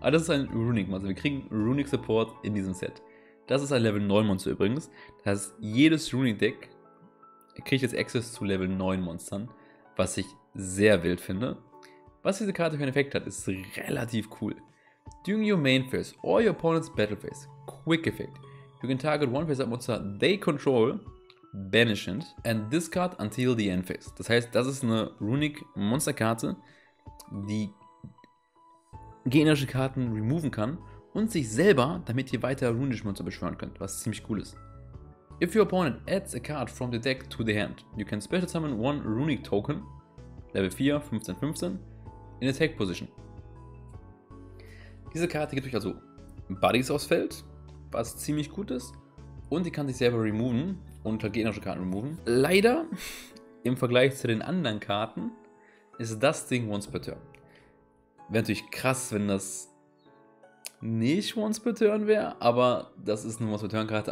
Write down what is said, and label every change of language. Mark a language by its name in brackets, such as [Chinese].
[German] Aber das ist ein Runic Monster. Wir kriegen Runic Support in diesem Set. Das ist ein Level 9 Monster übrigens. Das heißt, jedes Runic Deck kriegt jetzt Access zu Level 9 Monstern, was ich sehr wild finde. Was diese Karte für einen Effekt hat, ist relativ cool. [English] During your main phase or your opponent's battle phase, quick effect. You can target one face-up monster they control, banish it, and discard until the end phase. [German] Das heißt, das ist eine Runic Monsterkarte, die generische Karten removen kann und sich selber, damit ihr weiter Runic Monster beschwören könnt, was ziemlich cool ist. [English] If your opponent adds a card from the deck to the hand, you can special summon one Runic Token, Level 4, 15, 15, in Attack Position. [German] Diese Karte gibt euch also Buddies aufs Feld, was ziemlich gut ist, und die kann sich selber removen und halt generische Karten removen. Leider, im Vergleich zu den anderen Karten, ist das Ding once per turn. Wäre natürlich krass, wenn das nicht once per turn wäre, aber das ist eine once per turn Karte.